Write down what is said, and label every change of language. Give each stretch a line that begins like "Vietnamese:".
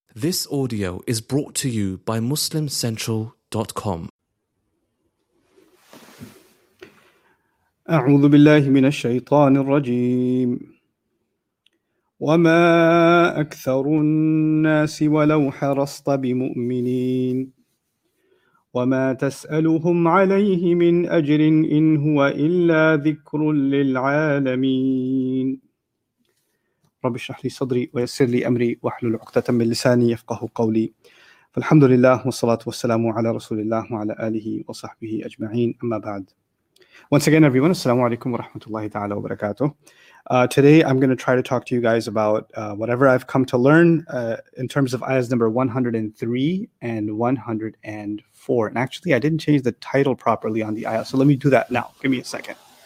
English: This audio is brought to you by MuslimCentral.com.
Arabic: أعوذ بالله من الشيطان الرجيم. وما أكثر الناس ولو حرصت بمؤمنين. وما تسألهم عليه من أجر إن هو إلا ذكر للعالمين. رب اشرح لي صدري ويسر لي أمري واحلل عقدة من لساني يفقه قولي. فالحمد لله والصلاة والسلام على رسول الله وعلى آله وصحبه أجمعين. أما بعد.
English: Once again, everyone, assalamu alaikum wa rahmatullahi ta'ala wa barakatuh. Today, I'm going to try to talk to you guys about whatever I've come to learn in terms of ayahs number 103 and 104. And actually, I didn't change the title properly on the ayah, so let me do that now. Give me a second.